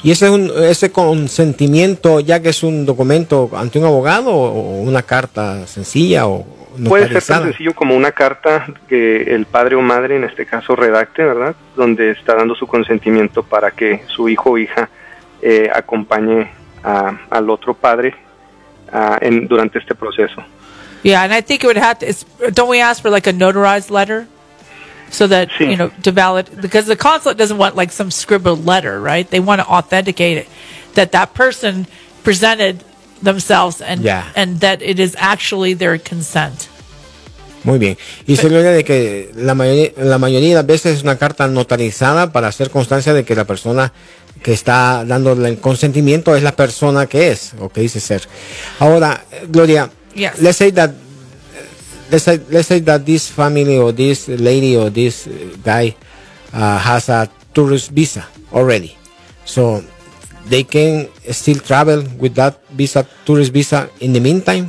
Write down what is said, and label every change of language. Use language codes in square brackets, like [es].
[es] ¿Y ese consentimiento, ya que es un documento ante un abogado o una carta sencilla o notarizada? Puede ser tan sencillo como una carta que el padre o madre, en este caso, redacte, ¿verdad? Donde está dando su consentimiento para que su hijo o hija acompañe al otro padre durante este proceso. [en] Yeah, and I think it would have to, don't we ask for like a notarized letter? So that, sí, you know, to valid, because the consulate doesn't want like some scribbled letter, right? They want to authenticate it, that person presented themselves and that it is actually their consent. [es] Muy bien. Y se olvida de que la mayoría de las veces es una carta notarizada para hacer constancia de que la persona que está dando el consentimiento es la persona que es o que dice ser. [en] Ahora, Gloria, let's say that this family or this lady or this guy has a tourist visa already. So they can still travel with that visa, tourist visa, in the meantime?